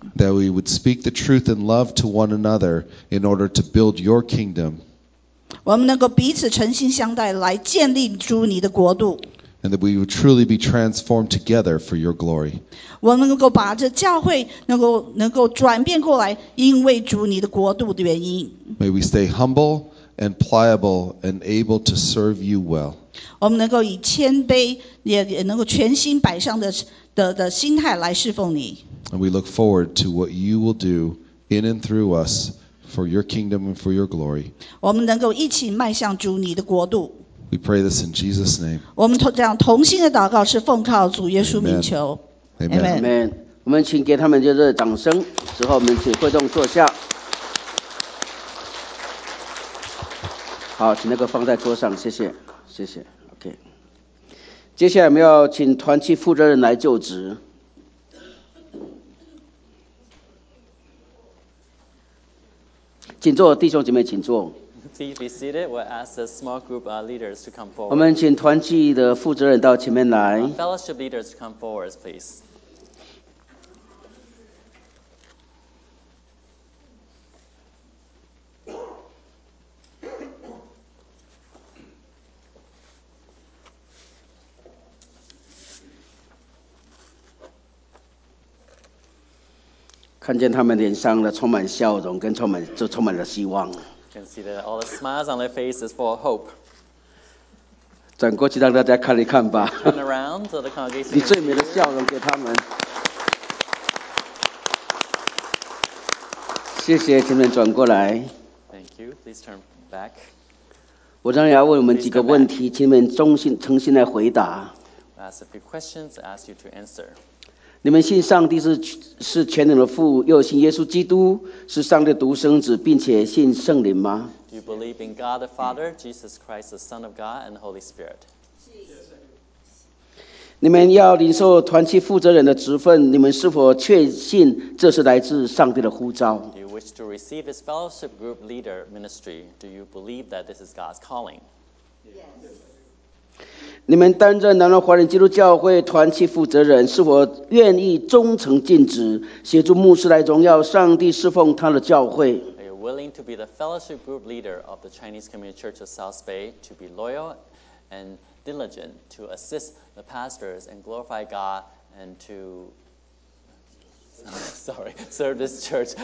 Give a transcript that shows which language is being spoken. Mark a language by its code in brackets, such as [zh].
[en] That we would speak the truth in love to one another in order to build your kingdom. [zh] 我们能够彼此诚心相待，来建立主你的国度。 [en] And that we would truly be transformed together for your glory. [zh] 我们能够把这教会能够转变过来，因为主你的国度的原因。 [en] May we stay humble. And pliable and able to serve you well. [zh] 我们能够以谦卑也能够全心摆上的心态来侍奉你。 [en] And we look forward to what you will do in and through us for your kingdom and for your glory. [zh] 我们能够一起迈向主你的国度。 [en] We pray this in Jesus' name. [zh] 我们这样同心的祷告是奉靠主耶稣名求。 [en] Amen. Amen. Amen. [zh] 我们请给他们热烈的掌声。之后我们请会众坐下。好，请那个放在桌上，谢谢，谢谢。OK， 接下来我们要请团契负责人来就职。请坐，弟兄姐妹，请坐。 [en] Please be seated. We'll ask the small group leaders to come forward. [zh] 我们请团契的负责人到前面来。 [en] Fellowship leaders, come forward, please. [zh] 看见他们脸上的充满笑容，跟充满了希望。 [en] Can see that all the smiles on their faces full of hope. [zh] 转过去让大家看一看吧。 [en] Turn around to the congregation. [zh] 你最美的笑容给他们。谢谢，请你们转过来。 [en] Thank you. Please turn back. [zh] 我当然要问我们几个问题，请你们诚心来回答。 [en] Ask a few questions. Ask you to answer. [zh] 你们信上帝是全能的父，又信耶稣基督是上帝的独生子，并且信圣灵吗 [en] ？Do you believe in God the Father, Jesus Christ, the Son of God, and the Holy Spirit? Yes. [zh] 你们要领受团契负责人的职分，你们是否确信这是来自上帝的呼召 [en] ？Do you wish to receive this fellowship group leader ministry? Do you believe that this is God's calling? Yes. [zh] 你们担任南荣华人基督教会团契负责人，是否愿意忠诚尽职，协助牧师来荣耀上帝，侍奉他的教会 [en] ？Are you willing to be the fellowship group leader of the Chinese Community Church of South Bay to be loyal and diligent to assist the pastors and glorify God and to sorry serve this church?